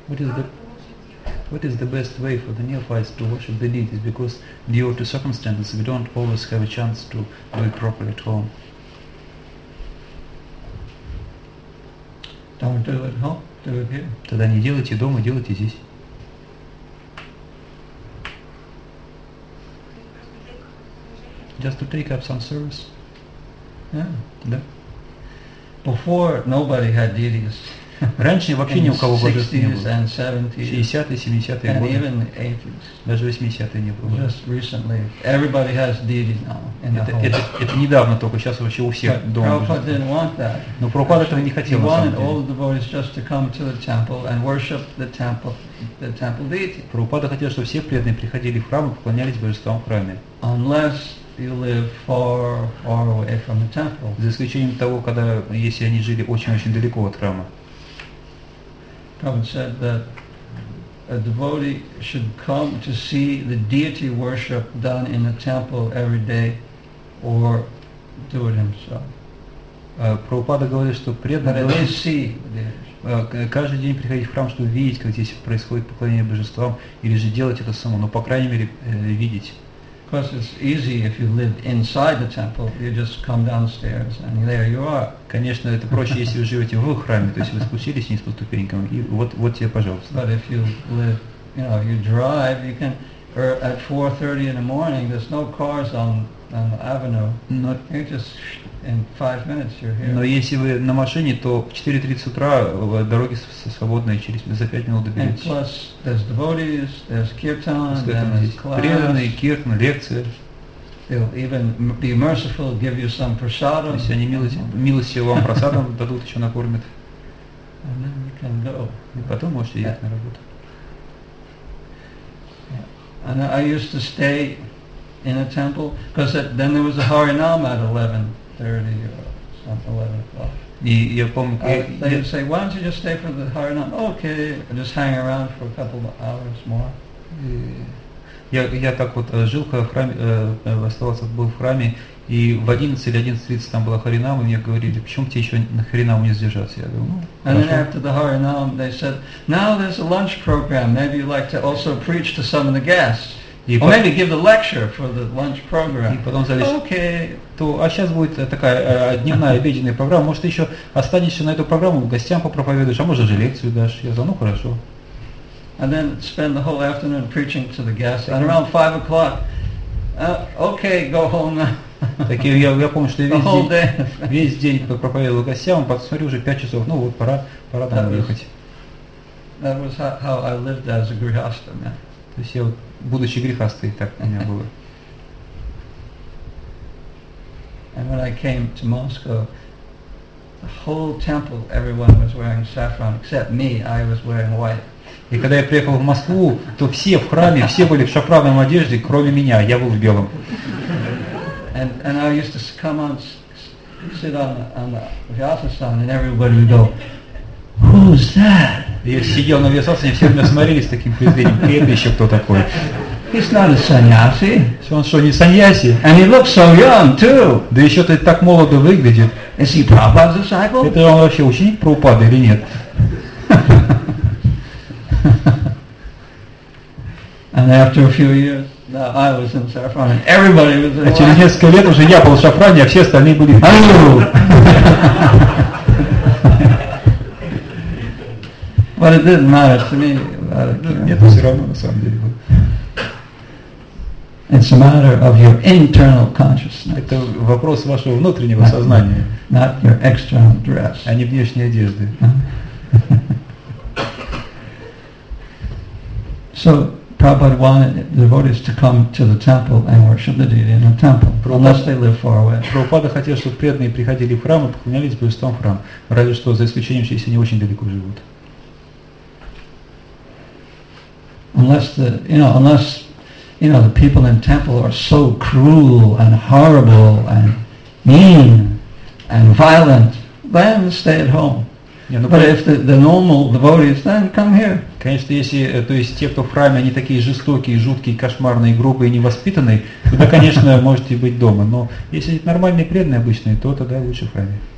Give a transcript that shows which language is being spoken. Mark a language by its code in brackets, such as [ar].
[en] What is the best way for the neophytes to worship the deities? Because due to circumstances, we don't always have a chance to do it properly at home. Don't do it at home, do it here. [ru] Тогда не делайте дома, делайте здесь. [en] Just to take up some service. Yeah. [ru] Да. [en] Before nobody had deities. [ru] Раньше вообще ни у кого божеств не было. 60-е, 70-е годы. [en] Even 80s. [ru] Даже 80-е не было. [en] Just recently. Everybody has deity now. [ru] Это недавно только, сейчас вообще у всех дома. [en] Prabhupada didn't want that. [ru] Но Прабхупада этого не хотел. [en] He wanted all the devotees just to come to the temple and worship the temple deity. [ru] Прабхупада хотел, чтобы все преданные приходили в храм и поклонялись божествам в храме. [en] Unless you live far, far away from the temple. [ru] За исключением того, когда если они жили очень-очень далеко от храма. [en] Prabhupada said that a devotee should come to see the deity worship done in the temple every day or do it himself. [ru] Прабхупада говорит, что преданный должен каждый день приходить в храм, чтобы видеть, как здесь происходит поклонение божествам, или же делать это само, но по крайней мере видеть. [en] Because it's easy if you live inside the temple, you just come downstairs and there you are. [ru] Конечно, это проще, если вы живете в храме, то есть вы спустились вниз по ступенькам, и вот тебе, пожалуйста. [en] But if you live, you know, you drive, you can, or at 4:30 in the morning, there's no cars on the avenue, you just, in 5 minutes you're here. [ru] Но если вы на машине, то в 4:30 утра дороги свободные, через за 5 минут доберетесь. [en] And plus, there's devotees, there's kirtan, there's class. [ru] Kirtan, лекции. [en] They'll even be merciful, give you some prasadam. [ru] Если они милости вам прасадам дадут, еще накормят. [en] And then you can go. [ru] И потом можете ехать на работу. [en] And I used to stay in a temple, because then there was a Harinam at 11:30 or something, 11 o'clock. They would say, why don't you just stay for the Harinam? Okay, and just hang around for a couple of hours more. [ru] Я так вот жил в храме, оставался был в храме, и в 11 или 11:30 там была Харинама, и мне говорили, почему тебе еще на Харинаму не задержаться? Я говорю, ну, хорошо. [en] And then after the Harinam, they said, now there's a lunch program, maybe you'd like to also preach to some of the guests. Or maybe give the lecture for the lunch program. [ru] И потом сказали, [en] okay. [ru] То, а сейчас будет такая дневная обеденная программа, может, ты еще останешься на эту программу, гостям попроповедуешь, а может, же лекцию дашь. Я говорю, ну, хорошо. [en] And then spend the whole afternoon preaching to the guests. And around 5 o'clock, okay, go home. [ru] Так я помню, что я весь день проповедовал гостям, посмотрю уже 5 часов. Ну вот пора там уехать. [en] That was how I lived as a grihastha, man. [ru] То есть я вот будучи грихастой, так у меня было. [en] And when I came to Moscow, the whole temple, everyone was wearing saffron except me. I was wearing white. [ru] И когда я приехал в Москву, то все в храме, все были в шафрановой одежде, кроме меня, я был в белом. [en] And I used to come on, sit on the Vyasasana, and everybody would go, who's that? [ru] Я сидел на Vyasasana, и все меня смотрели с таким презрением, это еще кто такой? [en] He's not a sannyasi. [ru] So он что, не саньяси? [en] And he looks so young too. [ru] Да еще ты так молодо выглядит. [en] Is he Prabhupada's disciple? [ru] Это он вообще ученик Прабхупады или нет? [en] And after a few years, now I was in Saffron and everybody was [ru] like, через несколько лет уже я был в Шафране, а все остальные были. [en] But it didn't matter to me. [ru] Нет, все равно на самом деле. [en] It's a matter of your internal consciousness. [ru] Это вопрос вашего внутреннего сознания. [en] Not your external dress. [ru] А не внешней одежды. [en] So Prabhupada wanted the devotees to come to the temple and worship the deity in the temple, unless they live far away. [ru] Прабхупада хотел, чтобы преданные приходили в храм и поклонялись бы в том храме, разве что за исключением, если они очень далеко живут. [en] Unless the people in temple are so cruel and horrible and mean and violent, then stay at home. But if the normal devotees, then come here. [ru] Конечно, если, то есть те, кто в храме, они такие жестокие, жуткие, кошмарные, грубые, невоспитанные, тогда, конечно, можете быть дома. Но если нормальные преданные обычные, то тогда лучше в храме.